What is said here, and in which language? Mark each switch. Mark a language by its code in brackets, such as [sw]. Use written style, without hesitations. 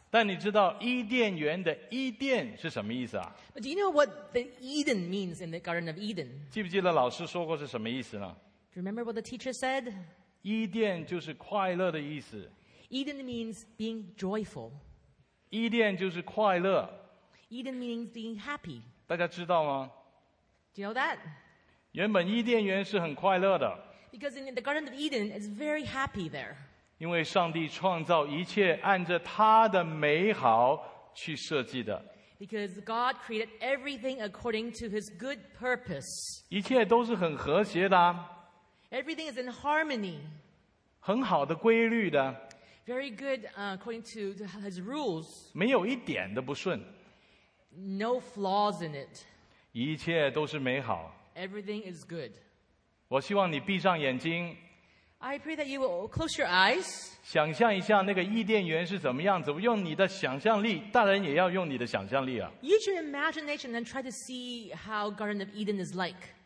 [zh] 但你知道伊甸园的伊甸是什么意思啊? [en] But do you know what the Eden means in the Garden of Eden? [zh] 记不记得老师说过是什么意思呢? [en] Do you remember what the teacher said? [zh] 伊甸就是快乐的意思。 [en] Eden means being joyful. [zh] 伊甸就是快乐。 [en] Eden means being happy. [zh] 大家知道吗? [en] Do you know that? [zh] 原本伊甸园是很快乐的。 [en] Because in the Garden of Eden, it's very happy there. [zh] 因为上帝创造一切按着他的美好去设计的。 [en] Because God created everything according to his good purpose. [zh] 一切都是很和谐的。 [en] Everything is in harmony. [zh] 很好的规律的。 [en] Very good according to his rules. [zh] 没有一点的不顺。 [en] No flaws in it. [zh] 一切都是美好。 [en] Everything is good. [zh] 我希望你闭上眼睛。 [en] I pray that you will close your eyes. [zh] 想象一下那个伊甸园是怎么样子，用你的想象力，大人也要用你的想象力啊。 [en] Use your imagination and try to see how Garden of Eden is like.